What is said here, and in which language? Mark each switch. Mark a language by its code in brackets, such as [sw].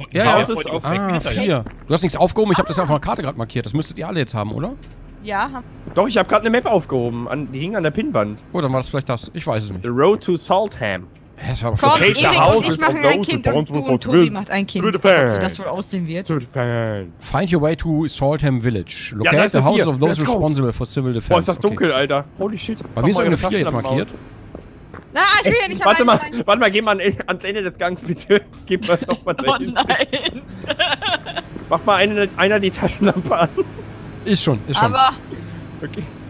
[de] Ja, hier. Du hast nichts aufgehoben. Ich hab das auf einer Karte gerade markiert. Das müsstet ihr alle jetzt haben, oder? Ja. Doch, ich hab gerade eine Map aufgehoben. Die hing an der Pinnwand. Oh, dann war das vielleicht das. Ich weiß es nicht. [en] The road to Saltham. [de] Das war aber schon komm, Erik und ich machen ein Kind und du und Tobi macht ein Kind. Wie das wohl aussehen wird. [en] Find your way to Saltham Village. Locate ja, the houses of those responsible for civil defense. [de] Boah, ist das dunkel, okay. Alter. [en] Holy shit. [de] Bei mir ist eine 4 jetzt markiert. Na, ich will hier nicht warte mal, sein. Warte mal, geh mal ans Ende des Gangs, bitte. Geh mal nochmal dahin. Oh nein. Mach mal einer die Taschenlampe an. Ist schon. Aber... Okay.